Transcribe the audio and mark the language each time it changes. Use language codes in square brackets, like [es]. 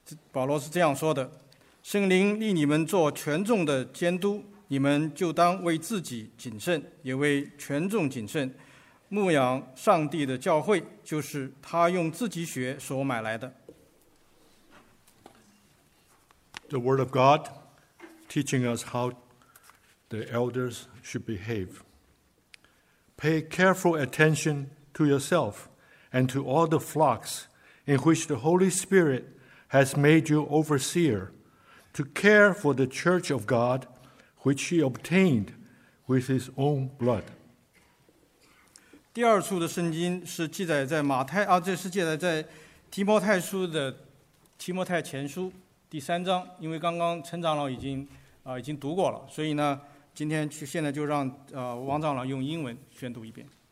[zh] 保罗是这样说的：圣灵立你们做全众的监督，你们就当为自己谨慎，也为全众谨慎，牧养上帝的教会，就是他用自己血所买来的。 [en] The word of God teaching us how the elders should behave. Pay careful attention to yourself and to all the flocks in which the Holy Spirit has made you overseer, to care for the church of God which he obtained with his own blood. [zh] 第二处的圣经是记载在马太，这是记载在提摩太书的提摩太前书。第三章，因为刚刚陈长老已经读过了，所以呢，今天去现在就让王长老用英文宣读一遍。